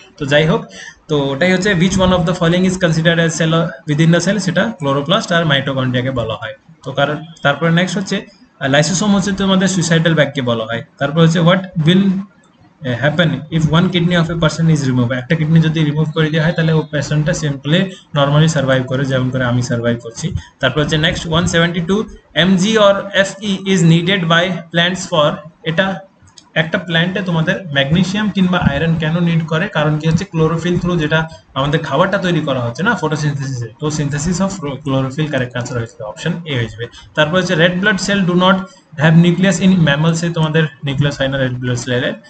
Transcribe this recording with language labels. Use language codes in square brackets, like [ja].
[bn] তো যাই হোক, তো ওটাই হচ্ছে [en] which one of the following is considered as cell within the cell, [bn] সেটা ক্লোরোপ্লাস্ট আর মাইটোকন্ড্রিয়াকে বলা হয়। তো কারণ তারপরে নেক্সট হচ্ছে লাইসোসোম হচ্ছে তোমাদের সুইসাইডাল ব্যাগকে বলা হয়। তারপর হচ্ছে [en] what will happen if one kidney of a person is remove, [bn] একটা কিডনি যদি রিমুভ করে দেওয়া হয় তাহলে ও পেশেন্টটা সিম্পলি নর্মালি সার্ভাইভ করে, যেমন করে আমি সার্ভাইভ করছি। তারপর হচ্ছে [en] next 172, MG or FE is needed by plants for, এটা [bn] একটা প্ল্যান্টে তোমাদের ম্যাগনেসিয়াম কিংবা আয়রন কেন নিড করে, কারণ কি হচ্ছে ক্লোরোফিল থ্রু যেটা আমাদের খাবারটা তৈরি করা হচ্ছে না ফটোসিনথেসিস, তো [en] synthesis of chlorophyll [bn] correct answer হয়েছে অপশন এ হয়ে যাবে। [en] তারপর হচ্ছে red blood cell do not have nucleus in mammals, [bn] তোমাদের নিউক্লিয়াস হয় না রেড ব্লাড সেলের।